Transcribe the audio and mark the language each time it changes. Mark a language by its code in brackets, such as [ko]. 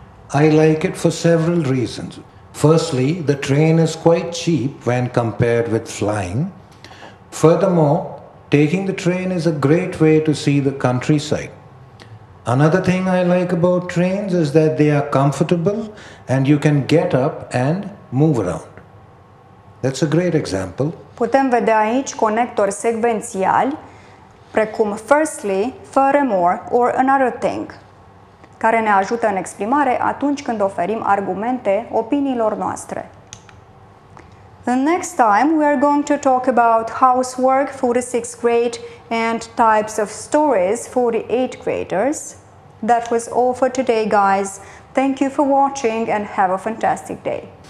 [en] I like it for several reasons. Firstly, the train is quite cheap when compared with flying. Furthermore, taking the train is a great way to see the countryside. Another thing I like about trains is that they are comfortable and you can get up and move around. That's a great example. [ro] Putem vedea aici conectori secvențiali, precum [en] firstly, furthermore, or another thing, [ro] care ne ajută în exprimare atunci când oferim argumente opiniilor noastre. [en] The next time we are going to talk about housework for the 6th grade and types of stories for the 8th graders. That was all for today, guys. Thank you for watching and have a fantastic day.